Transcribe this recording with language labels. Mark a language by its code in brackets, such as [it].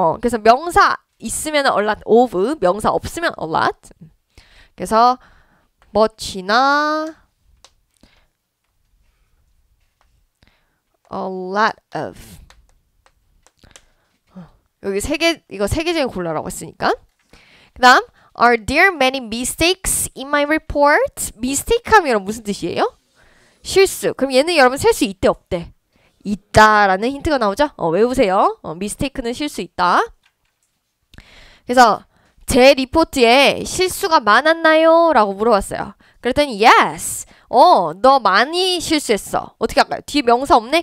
[ko] 그래서 명사 있으면 a lot of, 명사 없으면 a lot. 그래서 much나 [en] lot of. [ko] 여기 세 개, 이거 세개 중에 골라라고 했으니까. 그다음 [en] Are there many mistakes in my report? [ko] Mistake 하면 무슨 뜻이에요? 실수. 그럼 얘는 여러분 실수 있대 없대? 있다라는 힌트가 나오죠? 외우세요. Mistake는 실수 있다. 그래서 제 리포트에 실수가 많았나요? 라고 물어봤어요. 그랬더니 yes. 너 많이 실수했어. 어떻게 할까요? 뒤에 명사 없네?